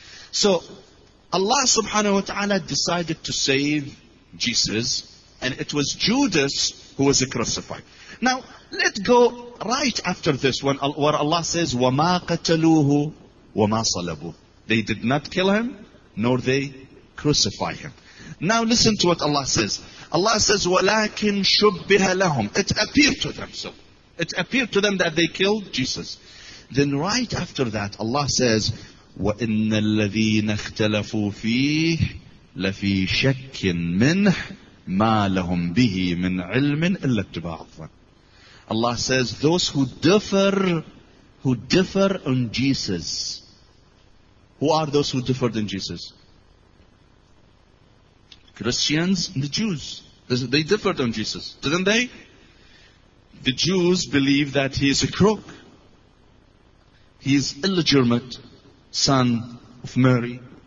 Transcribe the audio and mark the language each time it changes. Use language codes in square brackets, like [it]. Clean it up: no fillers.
[en] So Allah subhanahu wa ta'ala decided to save Jesus, and it was Judas who was crucified. Now, let's go right after this, where Allah says, [ar] وَمَا قَتَلُوهُ وَمَا صَلَبُوهُ. [en] They did not kill him, nor they crucify him. Now listen to what Allah says. Allah says, [ar] وَلَكِنْ شُبِّهَ لَهُمْ. [en] It appeared to them. So it appeared to them that they killed Jesus. Then right after that, Allah says, [ar] وَإِنَّ الَّذِينَ اخْتَلَفُوا فِيهِ لَفِي شَكٍ مِنْهِ مَا لَهُمْ بِهِ مِنْ عِلْمٍ إِلَّا اتِّبَاعًا. [en] Allah says, those who differ in Jesus. Who are those who differed in Jesus? Christians and the Jews. They differed on Jesus, didn't they? The Jews believe that He is a crook. He is illegitimate son of Mary.